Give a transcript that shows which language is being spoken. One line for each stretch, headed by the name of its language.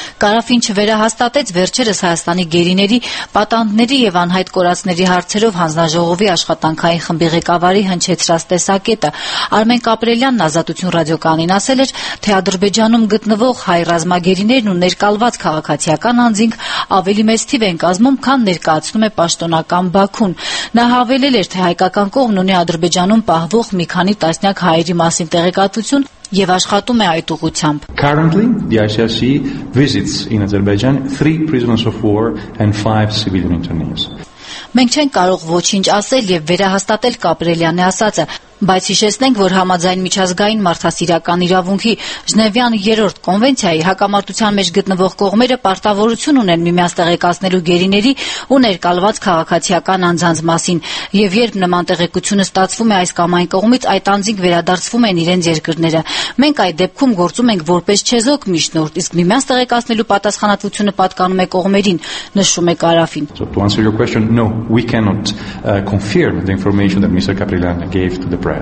Armenian: Կարաֆին չվերահաստատեց վերջերս Հայաստանի գերիների, պատանդների և անհայտ կորածների հարցերով հանձնաժողովի աշխատանքային խմբի ղեկավարի հնչեցրած տեսակետը։ Արմեն Կապրելյանն Ազատություն ռադիոկանին ասել էր, թե Ադրբեջանում գտնվող հայ ռազմագերիներն ու ներկալված քաղաքացիական անձինք ավելի մեծ թիվ են կազմում, քան ներկայացնում է պաշտոնական Բաքուն։ Նա հավելել էր, թե հայկական կողմն ունի Ադրբեջանում պահվող մի քանի տասնյակ հայերի մասին տեղեկատվություն և աշխատում է այդ ուղությամբ։
English: Currently, the ICRC visits in Azerbaijan 3 prisoners of war and 5 civilian internees.
Armenian: Մենք չենք կարող ոչինչ ասել և վերահաստատել Կապրելյանի ասածը, Բայց հիշեցնենք, որ համաձայն միջազգային մարդասիրական իրավունքի Ժնևյան 3-րդ կոնվենցիայի հակամարտության մեջ գտնվող կողմերը պարտավորություն ունեն միմյանց տեղեկացնելու գերիների ու ներկալված քաղաքացիական անձանց մասին, եւ երբ նման տեղեկությունը ստացվում է այս կամ այն կողմից, այդ անձինք վերադարձվում են իրենց երկրները։ Մենք այդ դեպքում գործում ենք որպես չեզոք միջնորդ, իսկ միմյանց տեղեկացնելու պատասխանատվությունը պատկանում է կողմերին, նշում է Կարաֆին։